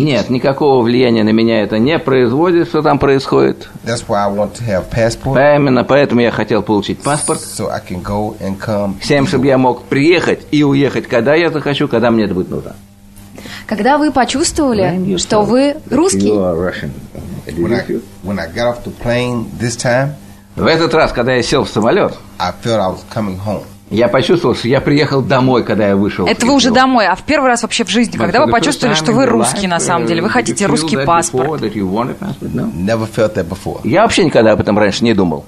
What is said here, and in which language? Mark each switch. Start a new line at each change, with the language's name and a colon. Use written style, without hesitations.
Russian: Нет, никакого влияния на меня это не производит, что там происходит.
English: That's why I want to have passport.
Russian: Именно поэтому я хотел получить паспорт.
English: So I can go and come.
Russian: Всем, чтобы я мог приехать и уехать, когда я захочу, когда мне это будет нужно. Когда вы почувствовали, что вы русский?
English: When I got off the plane this time.
Russian: В этот раз, когда я сел в самолет,
English: I felt I was coming home.
Russian: Я почувствовал, что я приехал домой, когда я вышел. Это вы уже домой, а в первый раз вообще в жизни, когда вы почувствовали, что вы русский на самом деле, вы хотите русский паспорт?
English: Never felt that before.
Russian: Я вообще никогда об этом раньше не думал.